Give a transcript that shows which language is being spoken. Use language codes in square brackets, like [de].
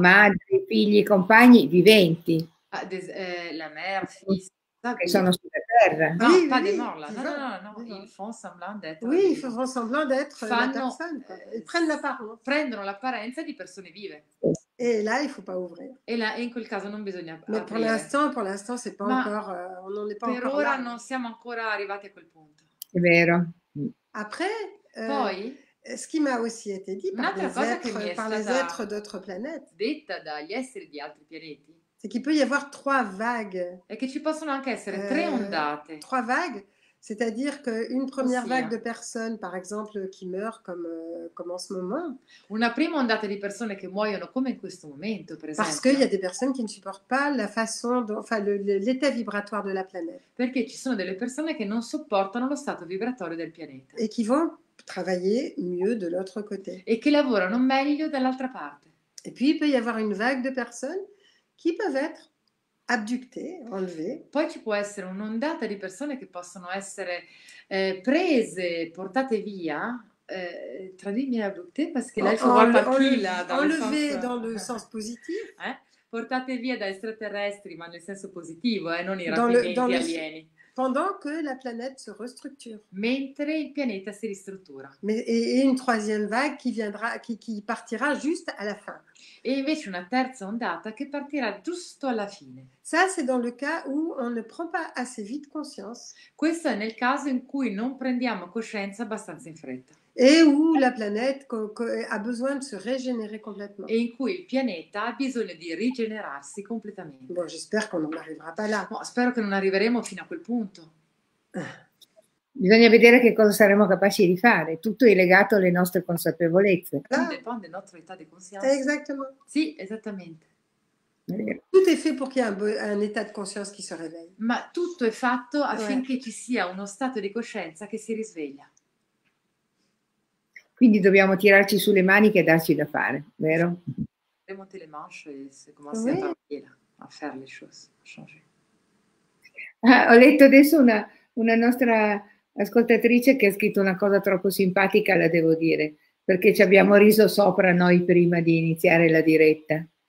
[it] Madre, figli, compagni, viventi. [fr] La mère, fils. [it] Che sono sulla terra. [fr] No, oui, pas oui, des morts là. No. Ils font semblant d'être. Oui, ils font semblant d'être la personne. Prennent l'apparence. [it] Prendono l'apparenza di persone vive. [fr] Et là, il ne faut pas ouvrir. Et là, [it] in quel caso non bisogna aprire. [fr] Mais pour l'instant, c'est pas [it] Ma [fr] encore. On n'en est pas [it] per [fr] encore. [it] Per ora [fr] là. [it] Non siamo ancora arrivati a quel punto. È vero. [fr] Après, [it] poi, [fr] ce qui m'a aussi été dit par les êtres d'autres planètes, [it] detta dagli esseri di altri pianeti, [fr] c'est qu'il peut y avoir trois vagues. [it] E che ci possono anche essere tre ondate. [fr] Trois vagues. C'est-à-dire qu'une première vague de personnes, par exemple, qui meurent comme en ce moment. [it] Una prima ondata di persone che muoiono come in questo momento, per esempio. [fr] Parce qu'il y a des personnes qui ne supportent pas la façon, l'état vibratoire de la planète. [it] Perché ci sono delle persone che non sopportano lo stato vibratorio del pianeta. [fr] Et qui vont travailler mieux de l'autre côté. [it] E che lavorano meglio dall'altra parte. [fr] Et puis il peut y avoir une vague de personnes qui peuvent être abducté, enlevé. [it] Poi ci può essere un'ondata di persone che possono essere prese, portate via, [fr] traduite, abducté, parce que là il faut voir par qui là. Enlevé dans le sens positif. [it] Portate via da extraterrestri, ma nel senso positivo, non i rapimenti alieni. [fr] Pendant que la planète se restructure. [it] Mentre il pianeta si ristruttura. [fr] Et une troisième vague qui partira juste à la fin. [it] E invece una terza ondata che partirà giusto alla fine. [fr] Ça, c'est dans le cas où on ne prend pas assez vite conscience. [it] Questo è nel caso in cui non prendiamo coscienza abbastanza in fretta. [fr] Et où la planète a besoin de se régénérer complètement. [it] E in cui il pianeta ha bisogno di rigenerarsi completamente. [fr] Bon, j'espère qu'on non arrivera pas là. [it] Bon, spero che non arriveremo fino a quel punto. Bisogna vedere che cosa saremo capaci di fare. Tutto è legato alle nostre consapevolezze. Tutto dipende dalla nostra età di coscienza. [fr] Exactement. [it] Sì, esattamente. [fr] Tout est fait pour qu'il y ait un état de conscience qui se réveille. [it] Ma tutto è fatto affinché ci sia uno stato di coscienza che si risveglia. Quindi dobbiamo tirarci sulle maniche e darci da fare, vero? [fr] Remonter les manches et commencer à partir, à faire les choses, changer. [it] Ah, ho letto adesso una nostra ascoltatrice che ha scritto una cosa troppo simpatica, la devo dire, perché ci abbiamo riso sopra noi prima di iniziare la diretta.